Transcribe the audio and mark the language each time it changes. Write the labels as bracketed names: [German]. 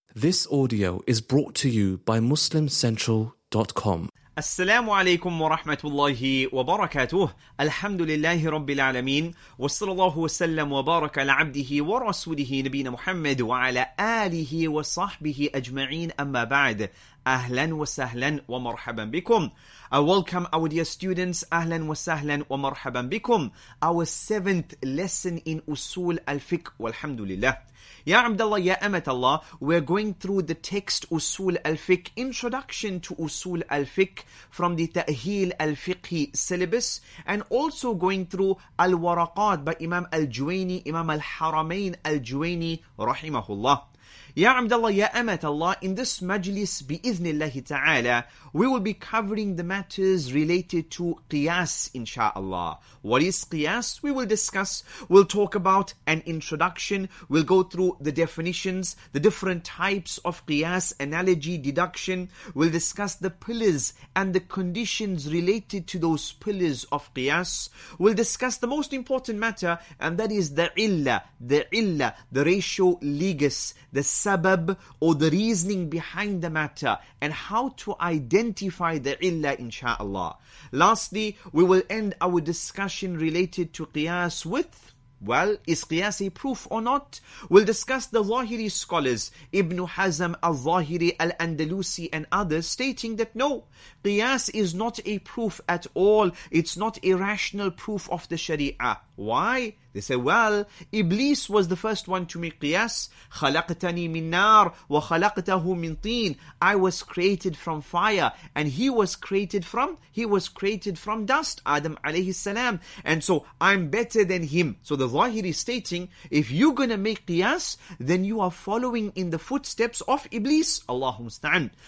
[English] This audio is brought to you by MuslimCentral.com. [Arabic] السلام عليكم ورحمة الله وبركاته. الحمد لله رب العالمين، وصلى الله وسلم وبارك على عبده ورسوله نبينا محمد وعلى آله وصحبه أجمعين. أما بعد، أهلا وسهلا ومرحبا بكم. [English] Welcome our dear students. [Arabic] أهلا وسهلا ومرحبا بكم. [English] Our seventh lesson in [Arabic] أصول الفقه والحمد لله. يا عبد الله يا أمة الله, [English] we're going through the text أصول الفقه, introduction to أصول الفقه from the تأهيل الفقهي syllabus, and also going through الورقات by إمام الجويني, إمام الحرمين الجويني رحمه الله. [Arabic] يا عبد الله يا أمة الله, [English] in this majlis [Arabic] بإذن الله تعالى, [English] we will be covering the matters related to قياس inshallah. What is قياس? We will discuss, we'll talk about an introduction, we'll go through the definitions, the different types of قياس, analogy, deduction, we'll discuss the pillars and the conditions related to those pillars of قياس, we'll discuss the most important matter, and that is the illa, the ratio legis, the sabab or the reasoning behind the matter, and how to identify the illa insha'Allah. Lastly, we will end our discussion related to qiyas with, well, is qiyas a proof or not? We'll discuss the Zahiri scholars, Ibn Hazm al-Zahiri al-Andalusi and others, stating that no, qiyas is not a proof at all. It's not a rational proof of the sharia. Why? They say, well, Iblis was the first one to make qiyas. [Arabic] خلقتني من نار وخلقته من طين. [English] I was created from fire, and he was created from dust, Adam alayhi salam. And so I'm better than him. So the Zahiri is stating, if you're gonna make qiyas, then you are following in the footsteps of Iblis. Allahu musta'an.